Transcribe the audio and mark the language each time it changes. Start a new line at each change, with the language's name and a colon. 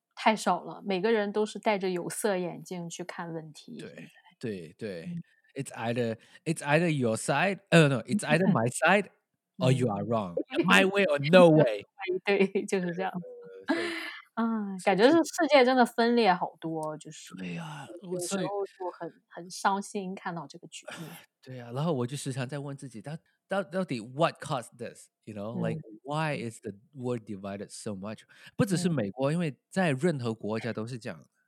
Chinese: 太少了，每个人都是戴着有色眼镜去看问题，对对对。
English: it's either your side no it's either my side or you are wrong my way or no way
Chinese: 对，就是这样。感觉是世界真的分裂好多，就是对呀，有时候就很伤心看到这个局面。对呀，然后我就时常在问自己，到底
English: what caused this? You know, like why is the world divided so much?
Chinese: 不只是美国，因为在任何国家都是这样。